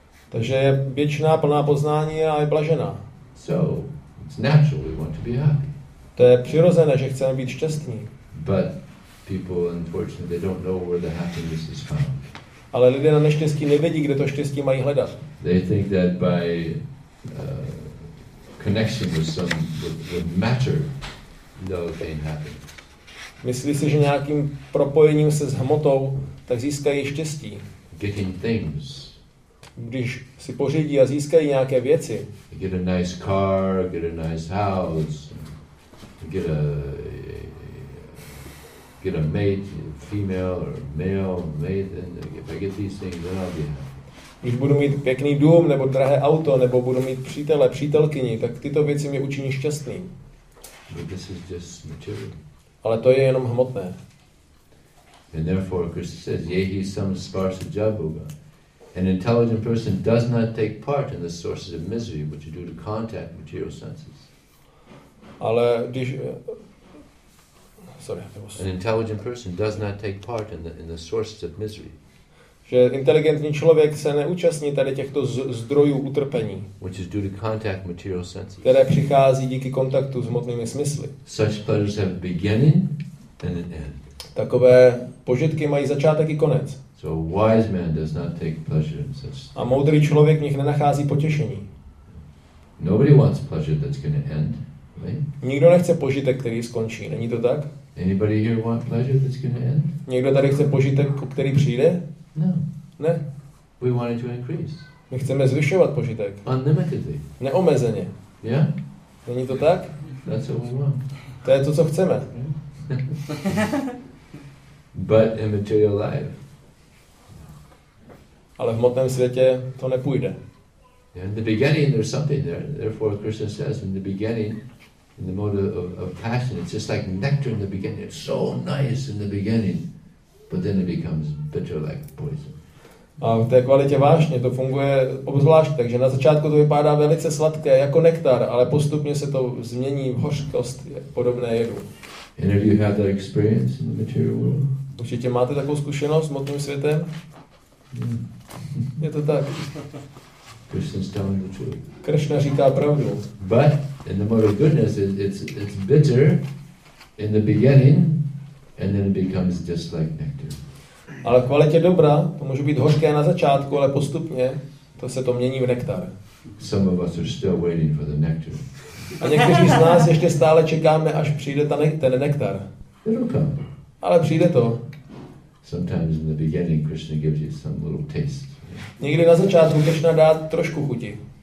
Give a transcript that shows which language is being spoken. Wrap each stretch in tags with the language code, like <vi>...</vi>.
<cs>Takže je věčná plná poznání a je blažená.</cs> <en>So, it's natural we want to be happy.</en> <cs>To je přirozené, že chceme být šťastní.</cs> <en>But people unfortunately they don't know where the happiness is found.</en> <cs>Ale lidé na neštěstí nevědí, kde to štěstí mají hledat.</cs> <en>They think that by connection with some with matter they'll gain happiness.</en> <cs>Myslí si, že nějakým propojením se s hmotou tak získají štěstí.</cs> <en>Getting things.</en> <cs>Když si pořídí a získají nějaké věci.</cs> <en>Get a nice car, get a nice house, get a mate, female or male mate, and if I get these things, then I'll be happy.</en> <cs>Když budu mít pěkný dům nebo drahé auto nebo budu mít přítele, přítelkyni, tak tyto věci mě učiní šťastným.</cs> <en>But this is just material.</en> <cs>Ale to je jenom hmotné.</cs> <en>And therefore Krishna says,</en> <sa>yehi samsparsa jabhuga.</sa> <en>An intelligent person does not take part in the sources of misery which are due to contact with material senses.</en> <cs>Ale když</cs> <en>an intelligent person does not take part in the sources of misery.</en> <cs>Že inteligentní člověk se neúčastní tady těchto zdrojů utrpení,</cs> <en>which is due to contact material senses.</en> <cs>Které přichází díky kontaktu s hmotnými smysly.</cs> <en>Such pleasures have beginning and an end.</en> <cs>Takové požitky mají začátek i konec.</cs> <en>So a wise man does not take pleasure in such.</en> <cs>A moudrý člověk v nich nenachází potěšení.</cs> <en>Nobody wants pleasure that's going to end, right?</en> <cs>Nikdo nechce požitek, který skončí, není to tak?</cs> <en>Anybody here want pleasure that's going to end?</en> <cs>Někdo tady chce požitek, který přijde?</cs> <en>No.</en> <cs>Ne.</cs> <en>We want it to increase.</en> <cs>My chceme zvyšovat požitek.</cs> <en>Unlimitedly.</en> <cs>Neomezeně.</cs> <en>Yeah.</en> <cs>Není to tak?</cs> <en>That's what we want.</en> <cs>To je to, co chceme.</cs> <en>Yeah. But in material life.</en> <cs>Ale v hmotném světě to nepůjde.</cs> <en>In the beginning there's something there. Therefore Krishna says in the beginning in the mode of passion it's just like nectar in the beginning. It's so nice in the beginning. But then it becomes bitter like poison.</en> <cs>A v té kvalitě vášně to funguje obzvlášť, takže na začátku to vypadá velice sladké jako nektar, ale postupně se to změní v hořkost podobné jedu.</cs> <en>And have you had that experience in the material world?</en> <cs>Určitě máte takovou zkušenost s hmotným světem? Mm. Je to tak.</cs> <en>Krishna's telling the truth.</en> <cs>Krishna říká pravdu.</cs> <en>But in the mode of goodness, it's bitter in the beginning. And then it becomes just like nectar.</en> <cs>Ale kvalitě dobrá, to může být hořké na začátku, ale postupně to se to mění v nektar.</cs> <en>Some of us are still waiting for the nectar.</en> <cs>A někteří z nás ještě stále čekáme, až přijde ten nektar.</cs> <en>It'll come.</en> <cs>Ale přijde to.</cs> <en>Sometimes in the beginning Krishna gives you some little taste.</en> <cs>Někdy na začátku Krishna dá trošku chuti.</cs>